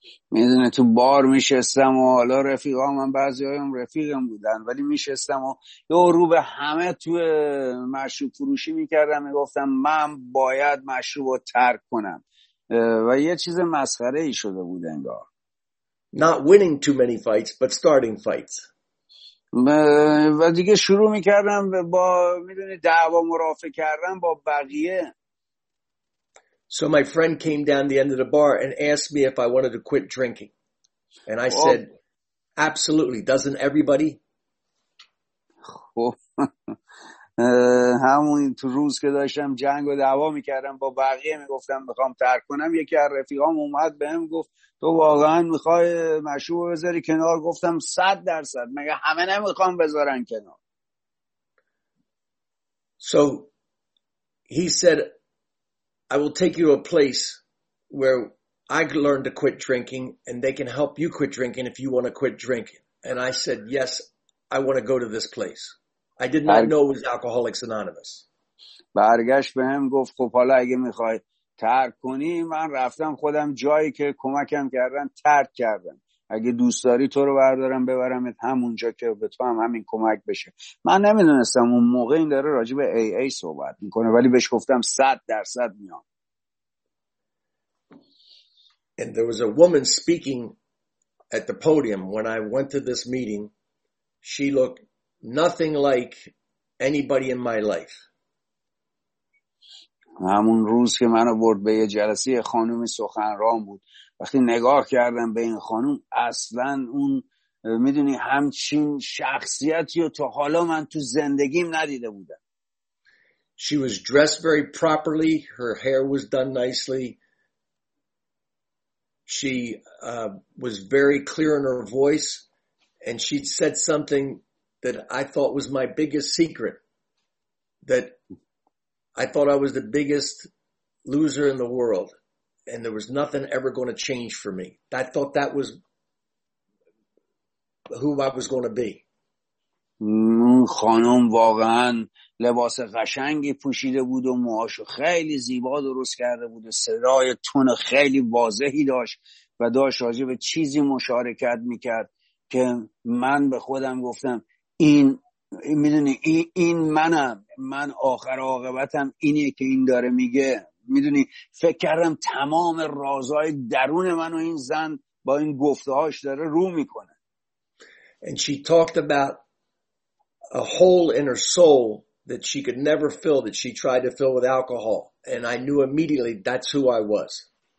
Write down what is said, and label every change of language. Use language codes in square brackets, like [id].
[fa] میدونه تو بار میشستم و حالا رفیقام هم بعضی هایم رفیقم بودن، ولی میشستم و یه رو به همه تو مشروب فروشی میکردم میگفتم من باید مشروب رو ترک کنم و یه چیز مسخره ای شده بود انگار. [en] Not winning too many fights but starting fights. [fa] و دیگه شروع میکردم با میدونی دعوا مرافع کردم با بقیه. [en] So my friend came down the end of the bar and asked me if I wanted to quit drinking. And I said, absolutely. Doesn't everybody? [fa] همون تو روز که داشتم جنگ و دعوا میکردم با بقیه میگفتم میخوام ترک کنم، یکی از رفیقام اومد بهم گفت تو واقعا میخوای مشروب بذاری کنار؟ گفتم 100%، مگه همه نمیخوام بذارن کنار؟ [en] So he said I will take you to a place where I learned to quit drinking and they can help you quit drinking if you want to quit drinking. And I said yes, I want to go to this place. I did not know it was Alcoholics Anonymous. [fa] برگشت به هم گفت خب حالا اگه میخوای ترک کنی، من رفتم خودم جایی که کمکم کردن ترک کردم. اگه دوست داری تو رو بردارم ببرمت همونجا که به تو هم همین کمک بشه. من نمیدونستم اون موقع این داره راجع به AA صحبت میکنه، ولی بهش گفتم 100% میام. [en] And there was a woman speaking at the podium when I went to this meeting. She looked nothing like anybody in my life. [fa] همون روز که منو برد به یه جلسه، خانم سخنران بود، وقتی نگاه کردم به این خانم، اصلا اون میدونی همچین شخصیتی رو تا حالا من تو زندگیم ندیده بودم. [en] She was dressed very properly, her hair was done nicely. She was very clear in her voice and she said something that I thought was my biggest secret, that I thought I was the biggest loser in the world and there was nothing ever going to change for me. I thought that was who I was going to be. [fa] خانم واقعا لباس قشنگی پوشیده بود و موهاشو خیلی زیبا درست کرده بود و صدای تون خیلی واضحی داشت و داشت راجع به چیزی مشارکت میکرد که من به خودم گفتم این میدونی این منم، من آخر عاقبتم اینیه که این داره میگه. میدونی فکر کردم تمام رازهای درون منو این زن با این گفتهاش داره رو میکنه. [en] And she talked about a hole in her soul that she could never fill, that she tried to fill with alcohol, and I knew immediately that's who I was.